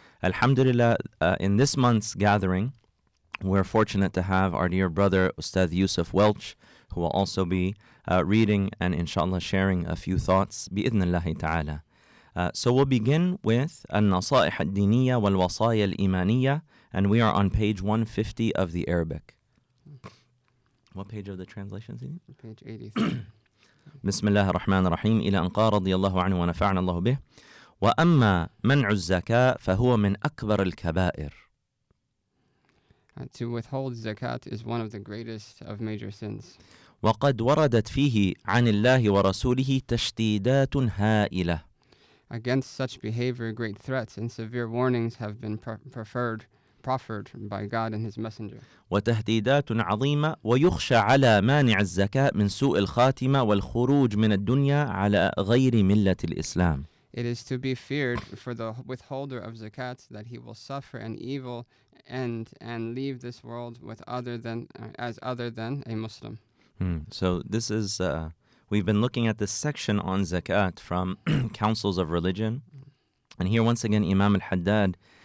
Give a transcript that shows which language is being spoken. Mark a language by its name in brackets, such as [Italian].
[English] Alhamdulillah, in this month's gathering, we're fortunate to have our dear brother, Ustadh Yusuf Welch, who will also be reading and inshallah sharing a few thoughts, bi'idhnillahi ta'ala. So we'll begin with Al-Nasa'ih al-Diniyya wal-Wasaya al-Imaniyya, and we are on page 150 of the Arabic. What page of the translation is it? Page 83. [Arabic] بسم الله الرحمن الرحيم إلى أن قال رضي الله عنه ونفعنا الله به وأما منع الزكاة فهو من أكبر الكبائر [English] To withhold zakat is one of the greatest of major sins [Arabic] وقد وردت فيه عن الله ورسوله تشديدات هائلة [English] Against such behavior great threats and severe warnings have been proffered by God and His Messenger. [Arabic] وتهديدات عظيمة ويخشى على مانع الزكاة من سوء الخاتمة والخروج من الدنيا على غير ملة الإسلام. [English] It is to be feared for the withholder of zakat that he will suffer an evil end and leave this world with other than a Muslim. So this is we've been looking at this section on zakat from Councils of Religion, and here once again Imam al-Haddad.